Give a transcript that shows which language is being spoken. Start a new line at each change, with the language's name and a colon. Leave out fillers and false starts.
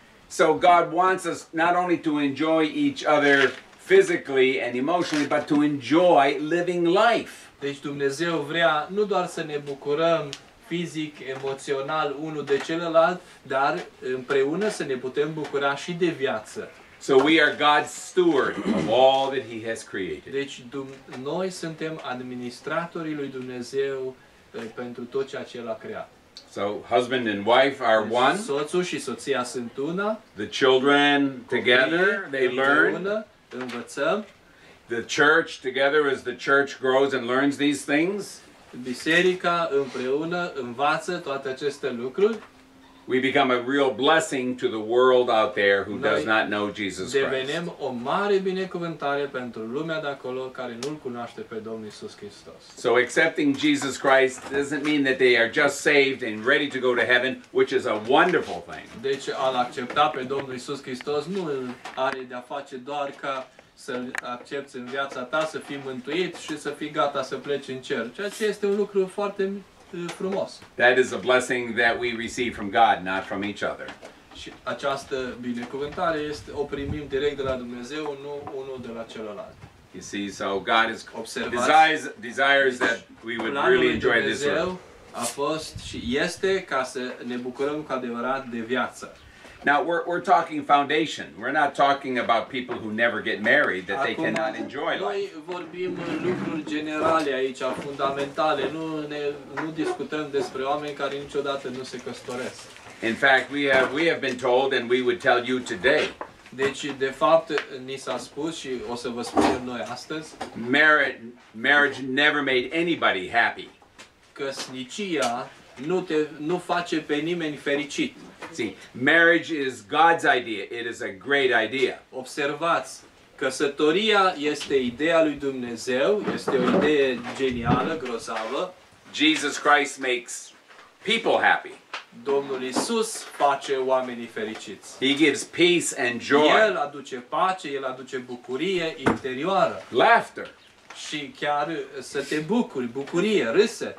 English: So God wants us not only to enjoy each other physically and emotionally, but to enjoy living life.
Romanian: Deci Dumnezeu vrea nu doar să ne bucurăm fizic, emoțional, unul de celălalt, dar împreună să ne putem bucura și de viață.
English: So we are God's steward of all that He has created.
Romanian: Deci noi suntem administratorii lui Dumnezeu pentru tot ceea ce El a creat.
English: So husband and wife are one.
Romanian: Soțul și soția sunt una.
English: The children together, they learn.
Romanian: Învățăm.
English: The church together, as the church grows and learns these things.
Romanian: Biserica împreună învață toate aceste lucruri.
English: We become a real blessing to the world out there who does not know Jesus Christ.
Romanian: Devenim o mare binecuvântare pentru lumea de acolo care nu-L cunoaște pe Domnul Iisus Hristos.
English: So accepting Jesus Christ doesn't mean that they are just saved and ready to go to heaven, which is a wonderful thing.
Romanian: Deci a-L accepta pe Domnul Iisus Hristos nu are de-a face doar ca să-L accepți în viața ta, să fii mântuit și să fii gata să pleci în cer. Ceea ce este un lucru foarte frumos.
English: That is a blessing that we receive from God, not from each other.
Romanian: Și această binecuvântare este o primim direct de la Dumnezeu, nu unul de la celălalt.
English: You see, so God is desires that we would really enjoy this world.
Romanian: A fost și este ca să ne bucurăm cu adevărat de viață.
English: Now we're talking foundation. We're not talking about people who never get married that
Romanian: acum,
English: they cannot enjoy life.
Romanian: Noi vorbim în lucruri generale aici, fundamentale. Nu discutăm despre oameni care niciodată nu se căsătoresc.
English: In fact, we have been told and we would tell you today.
Romanian: Deci de fapt ni s-a spus și o să vă spunem noi astăzi.
English: Marriage never made anybody happy.
Romanian: Căsnicia nu face pe nimeni fericit.
English: See, marriage is God's idea. It is a great idea.
Romanian: Observați, căsătoria este ideea lui Dumnezeu, este o idee genială, grozavă.
English: Jesus Christ makes people happy.
Romanian: Domnul Iisus face oamenii fericiți.
English: He gives peace and joy.
Romanian: El aduce pace, el aduce bucurie interioară.
English: Laughter.
Romanian: Și chiar să te bucuri, bucurie, râse.